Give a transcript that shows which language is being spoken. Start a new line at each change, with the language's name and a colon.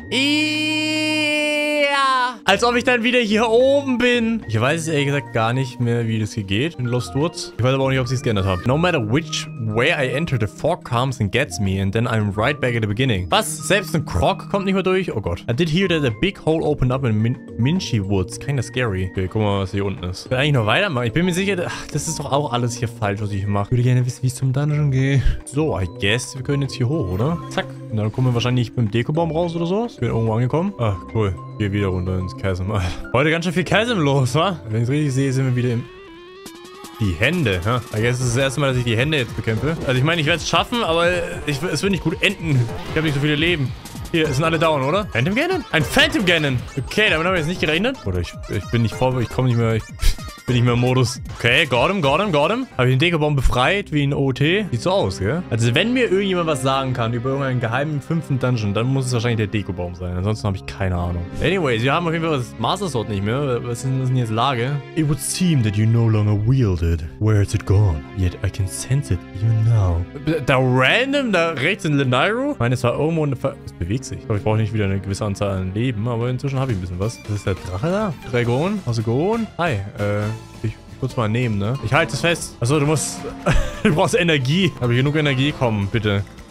German: Ja. Als ob ich dann wieder hier oben bin. Ich weiß es ehrlich gesagt gar nicht mehr, wie das hier geht in Lost Woods. Ich weiß aber auch nicht, ob sie es geändert haben.
English: No matter which way I enter, the fog comes and gets me and then I'm right back at the beginning.
German: Was?
English: Selbst ein Croc kommt nicht mehr durch?
German: Oh Gott.
English: I did hear that a big hole opened up in Minchie Woods. Kinda scary.
German: Okay, guck mal, was hier unten ist. Ich will eigentlich noch weitermachen. Ich bin mir sicher, das ist doch auch alles hier falsch, was ich hier mache. Ich würde gerne wissen, wie es zum Dungeon geht.
English: So, I guess
German: wir können jetzt hier hoch, oder? Zack. Und dann kommen wir wahrscheinlich beim Dekobaum raus oder sowas. Ich bin irgendwo angekommen. Ah, cool. Hier wieder runter ins Chasm. Heute ganz schön viel Chasm los, wa? Wenn ich es richtig sehe, sind wir wieder im... Die Hände, ha?
English: Huh? I guess
German: das ist das erste Mal, dass ich die Hände jetzt bekämpfe. Also ich meine, ich werde es schaffen, aber es wird nicht gut enden. Ich habe nicht so viele Leben. Hier, sind alle down, oder? Phantom Ganon? Ein Phantom Ganon! Okay, damit haben wir jetzt nicht gerechnet. Oder ich bin nicht vor... Ich komme nicht mehr... Bin nicht mehr im Modus.
English: Okay, got him.
German: Habe ich den Dekobaum befreit wie ein OT? Sieht so aus, gell? Also wenn mir irgendjemand was sagen kann über irgendeinen geheimen fünften Dungeon, dann muss es wahrscheinlich der Dekobaum sein. Ansonsten habe ich keine Ahnung. Anyways, wir haben auf jeden Fall das Master Sword nicht mehr. Was ist denn jetzt Lage?
English: It would seem that you no longer wield it. Where is it gone? Yet I can sense it even now.
German: Da rechts in Lenairu? Ich meine, es war irgendwo eine es bewegt sich. Ich glaube, ich brauche nicht wieder eine gewisse Anzahl an Leben, aber inzwischen habe ich ein bisschen was. Das ist der Drache da? Dragon? Hast du Gohan? Hi, kurz mal nehmen, ne? Ich halte es fest. Achso, du musst... du brauchst Energie. Habe ich genug Energie? Komm, bitte.